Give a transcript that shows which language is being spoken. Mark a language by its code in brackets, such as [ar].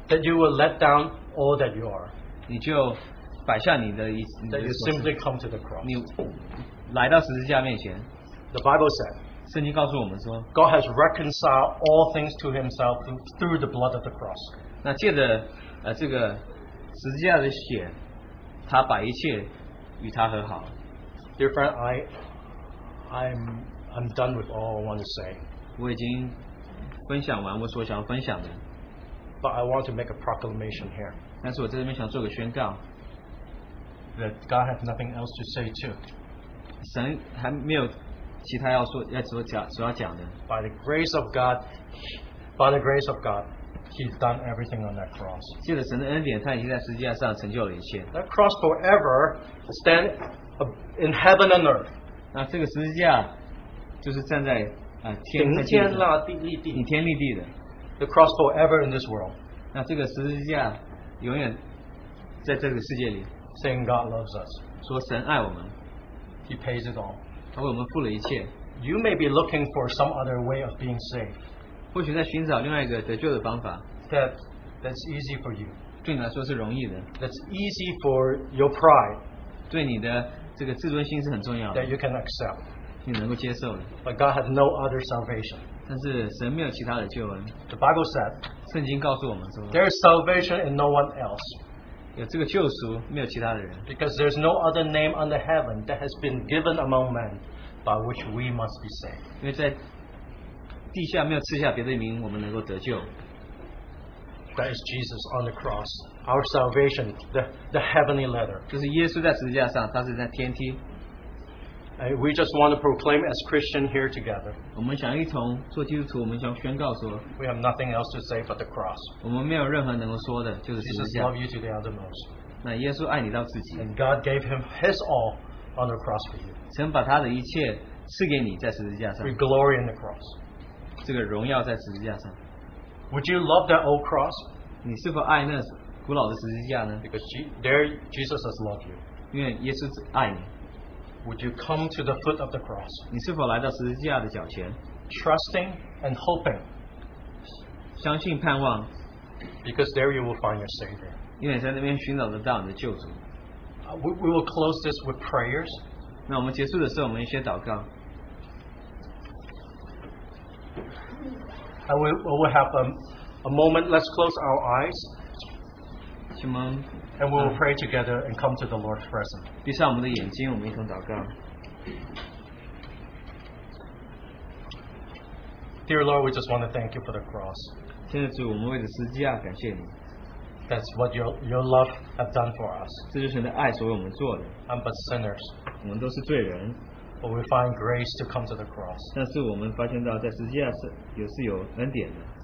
[en] That you will let down all that you are [zh] 你就摆下你的意思 [en] That you simply come to the cross [zh] 你来到十字架面前 [en] The Bible said [zh] 圣经告诉我们说 [en] God has reconciled all things to himself through the blood of the cross [zh] 那借着这个十字架的血他把一切与他和好 [en] Dear friend I'm done with all I want to say. [zh] 我已经分享完我所想分享的。 [en] But I want to make a proclamation here. [zh] 但是我在这边想做个宣告。 [en] That God has nothing else to say too. [zh] 神还没有其他要说要所讲所要讲的。 [en] By the grace of God, He's done everything on that cross. [zh] 借着神的恩典，他已经在十字架上成就了一切。 [en] That cross forever stand in heaven and earth. [zh] 那这个十字架就是站在啊天在顶天立地顶天立地的 [en] ，the cross forever in this world。 [zh] 那这个十字架永远在这个世界里 [en] ，saying God loves us， [zh] 说神爱我们 [en] ，He pays it all， [zh] 他为我们付了一切。 [en] You may be looking for some other way of being saved， [zh] 或许在寻找另外一个得救的方法 [en] ，that's easy for you， [zh] 对你来说是容易的 [en] ，that's easy for your pride， [zh] 对你的这个自尊心是很重要的 [en] ，that you can accept， [zh] 你能够接受的 [en] ，but God has no other salvation。 [zh] 但是神没有其他的救恩。 [en] The Bible said， [zh] 圣经告诉我们说 [en] ，there is salvation in no one else。 [zh] 有这个救赎，没有其他的人。 [en] Because there is no other name under heaven that has been given among men by which we must be saved。 [zh] 因为在地下没有赐下别的名，我们能够得救。 [en] That is Jesus on the cross, our salvation, the heavenly ladder。 [zh] 就是耶稣在十字架上，他是在天梯。 [en] We just want to proclaim as Christian here together. [zh] 我们想一同做基督徒，我们想宣告说 [en] ，We have nothing else to say but the cross. [zh] 我们没有任何能够说的，就是十字架。 [en] Jesus loved you to the uttermost. [zh] 那耶稣爱你到自己。 [en] And God gave him His all on the cross for you. [zh] 神把他的一切赐给你在十字架上。 [en] We glory in the cross. [zh] 这个荣耀在十字架上。 [en] Would you love that old cross? [zh] 你是否爱那古老的十字架呢 [en] ？Because there Jesus has loved you. [zh] 因为耶稣爱你。 [en] Would you come to the foot of the cross? [zh] 你是否来到十字架的脚前 [en] ？Trusting and hoping， [zh] 相信盼望 [en] ，because there you will find your savior。 [zh] 因为在那边寻找得到你的救主。 [en] We will close this with prayers。 [zh] 那我们结束的时候，我们一些祷告。 [en] I will have a moment. Let's close our eyes。 [zh] 请问。 [en] And we will pray together and come to the Lord's presence. [zh] 闭上我们的眼睛，我们一同祷告。 [en] Dear Lord, we just want to thank you for the cross. [zh] 天父，我们为着十字架感谢你。 [en] That's what your love has done for us. [zh] 这就是你的爱所为我们做的。 [en] I'm but sinners. [zh] 我们都是罪人。 [en] But we find grace to come to the cross. [zh] 但是我们发现到在十字架是也是有恩典的。